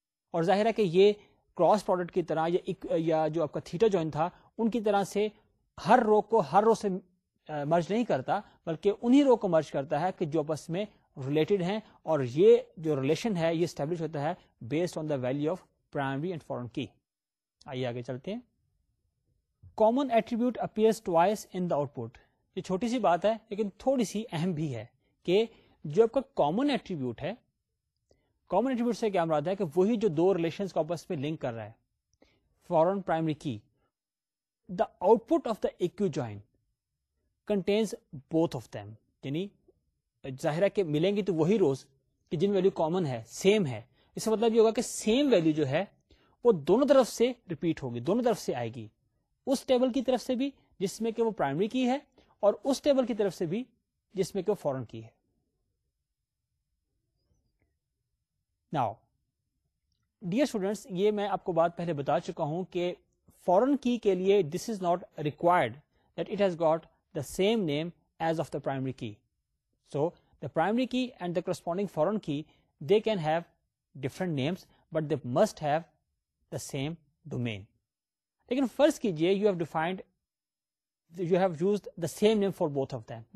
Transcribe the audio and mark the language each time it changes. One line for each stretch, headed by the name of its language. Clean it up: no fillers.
Urdu: اور ظاہر ہے کہ یہ کراس پروڈکٹ کی طرح یا جو آپ کا تھیٹا جوائن تھا ان کی طرح سے ہر رو کو ہر رو سے مرج نہیں کرتا, بلکہ انہی رو کو مرج کرتا ہے کہ جو آپس میں ریلیٹڈ ہیں. اور یہ جو ریلیشن ہے یہ اسٹیبلش ہوتا ہے
English: Based on the value of primary and foreign key.
Urdu: آئیے آگے چلتے ہیں.
English: Common attribute appears twice in the output.
Urdu: یہ چھوٹی سی بات ہے لیکن تھوڑی سی اہم بھی ہے کہ جو آپ کا کامن ایٹریبیوٹ ہے, کامن ایٹریبیوٹ سے کیا مراد ہے کہ وہی جو دو ریلیشن کو آپس میں لنک کر رہا ہے فورن primary key,
English: The output of the equi join contains both of them.
Urdu: یعنی ظاہر ہے کہ ملیں گی تو وہی روز کہ جن ویلیو کامن ہے سیم ہے. اس کا مطلب یہ ہوگا کہ سیم ویلیو جو ہے وہ دونوں طرف سے ریپیٹ ہوگی, دونوں طرف سے آئے گی, اس ٹیبل کی طرف سے بھی جس میں کہ وہ پرائمری کی ہے اور اس ٹیبل کی طرف سے بھی جس میں کہ وہ فورن کی ہے.
English: now dear students,
Urdu: یہ میں آپ کو بات پہلے بتا چکا ہوں کہ فورن کی کے لیے
English: This is not required that it has got the same name as of the primary key. So the primary key and the corresponding foreign key, they can have different names, but they must have the same domain.
Urdu: Lekin first kijiye,
English: you have defined, you have used the same name for both of them.